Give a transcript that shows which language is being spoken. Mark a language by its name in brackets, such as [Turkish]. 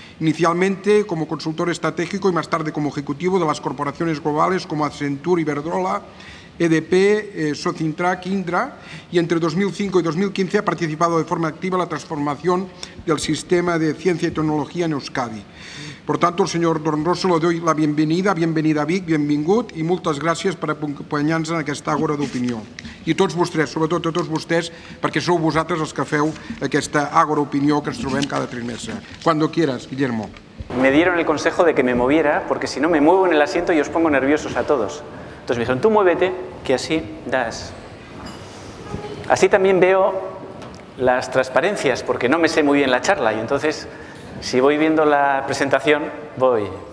[Spanish] Inicialmente como consultor estratégico y más tarde como ejecutivo de las corporaciones globales como Accenture, Iberdrola, EDP, Socintrack, Indra, y entre 2005 y 2015 ha participado de forma activa en la transformación del sistema de ciencia y tecnología en Euskadi. Por tanto, señor Torronoso, le doy la bienvenida, bienvenida a Vic, bienvingut, y muchas gracias por acompañarnos en esta Àgora d'Opinió. [Catalan] I tots vostès, sobretot a tots vostès, perquè sou vosaltres els que feu aquesta Àgora d'Opinió que ens trobem cada trimestre. [Spanish] Cuando quieras, Guillermo. Me dieron el consejo de que me moviera, porque si no me muevo en el asiento y os pongo nerviosos a todos. Entonces me dijeron, tú muévete, que así das. Así también veo las transparencias, porque no me sé muy bien la charla, y entonces, si voy viendo la presentación, voy.